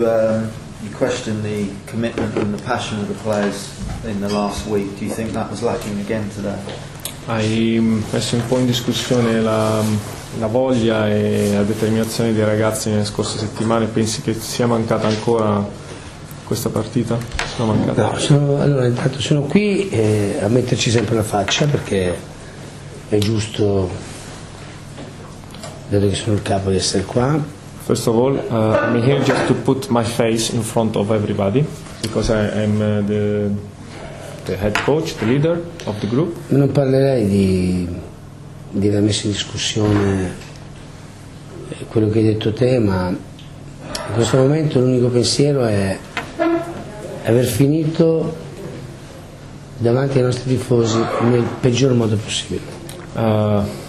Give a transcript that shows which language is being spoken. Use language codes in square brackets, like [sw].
[en] you questioned the commitment and the passion of the players in the last week. Do you think that was lacking again today? [it] Hai messo un po' in discussione la voglia e la determinazione dei ragazzi nelle scorse settimane. Pensi che sia mancata ancora questa partita? Sono mancata. No, intanto sono qui a metterci sempre la faccia, perché è giusto, dato che sono il capo, di essere qua. [en] First of all, I'm here just to put my face in front of everybody, because I'm the head coach, the leader of the group. [it] Non parlerei di aver messo in discussione quello che hai detto te, ma in questo momento l'unico pensiero è aver finito davanti ai nostri tifosi nel peggior modo possibile.